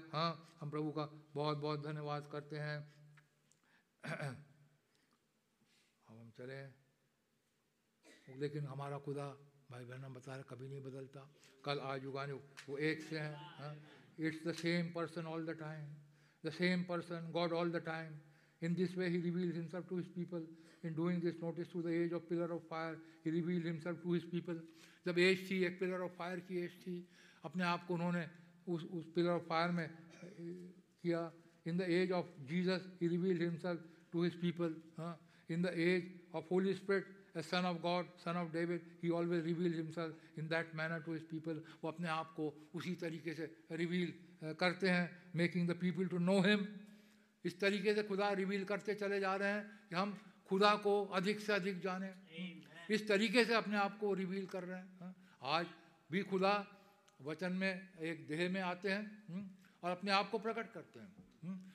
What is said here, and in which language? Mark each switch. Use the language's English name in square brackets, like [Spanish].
[Hindi] हाँ हम प्रभु का बहुत बहुत धन्यवाद करते हैं। अब हम चले, लेकिन हमारा खुदा भाई बहन हम बता रहे कभी नहीं बदलता, कल आज युगान युग वो एक से हैं, [English] it's the same person all the time, [Hindi] the same person God all the time, [English] In this way, he reveals himself to his people. In doing this, notice through the age of pillar of fire, he revealed himself to his people. [Hindi] जब as थी एक pillar of fire की as थी अपने आप को उन्होंने उस पिलर ऑफ फायर में किया. [English] In the age of Jesus, he revealed himself to his people. In the age of Holy Spirit, a son of God, son of David, he always revealed himself in that manner to his people. [Hindi] वो अपने आप को उसी तरीके से reveal करते हैं, [English] making the people to know him. [Hindi] इस तरीके से खुदा रिवील करते चले जा रहे हैं कि हम खुदा को अधिक से अधिक जानें. इस तरीके से अपने आप को रिवील कर रहे हैं. आज भी खुदा वचन में एक देह में आते हैं और अपने आप को प्रकट करते हैं.